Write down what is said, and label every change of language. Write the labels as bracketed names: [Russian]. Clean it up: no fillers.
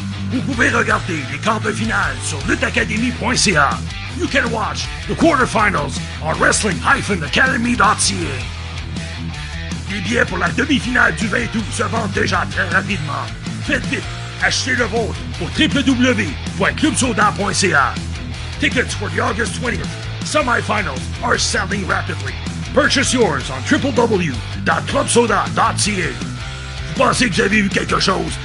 [French] Vous pouvez regarder les quarts de finale sur lutteacademy.ca. [English] You can watch the quarterfinals on wrestling-academy.ca. [French] Les billets pour la demi-finale du 20 août se vendent déjà très rapidement. Faites vite, achetez le vôtre au www.clubsoda.ca. [English] Tickets for the August 20th semifinals are selling rapidly. Purchase yours on www.clubsoda.ca. [French] Vous pensez que vous avez vu quelque chose?